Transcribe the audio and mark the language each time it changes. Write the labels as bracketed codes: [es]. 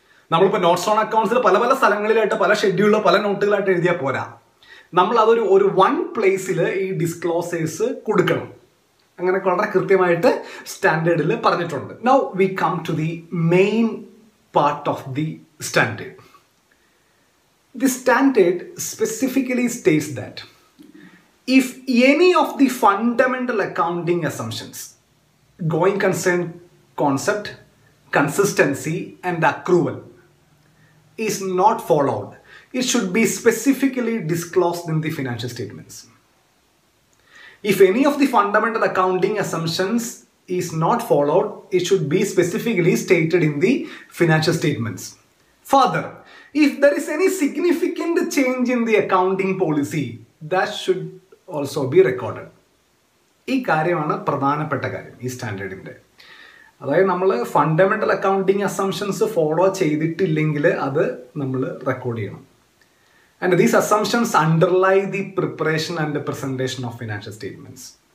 [ml] നമ്മളിപ്പോൾ notes on അക്കൗണ്ട്സിൽ പല പല സ്ഥലങ്ങളിലായിട്ട് പല ഷെഡ്യൂളിൽ പല നോട്ടുകളായിട്ട് എഴുതിയാൽ പോരാ, നമ്മളതൊരു ഒരു വൺ പ്ലേസിൽ ഈ ഡിസ്ക്ലോസേഴ്സ് കൊടുക്കണം. അങ്ങനെ വളരെ കൃത്യമായിട്ട് സ്റ്റാൻഡേർഡിൽ പറഞ്ഞിട്ടുണ്ട്. [en] Now we come to the main part of the standard. The standard specifically states that if any of the fundamental accounting assumptions, going concern concept, consistency, and accrual is not followed, it should be specifically disclosed in the financial statements. If any of the fundamental accounting assumptions is not followed, it should be specifically stated in the financial statements. Further, if there is any significant change in the accounting policy, that should also be recorded. [ml] ഈ കാര്യമാണ് പ്രധാനപ്പെട്ട കാര്യം ഈ സ്റ്റാൻഡേർഡിൻ്റെ. അതായത് നമ്മൾ fundamental accounting assumptions follow ചെയ്തിട്ടില്ലെങ്കിൽ അത് നമ്മൾ റെക്കോർഡ് ചെയ്യണം. [en] And these assumptions underlie the preparation and presentation of financial statements.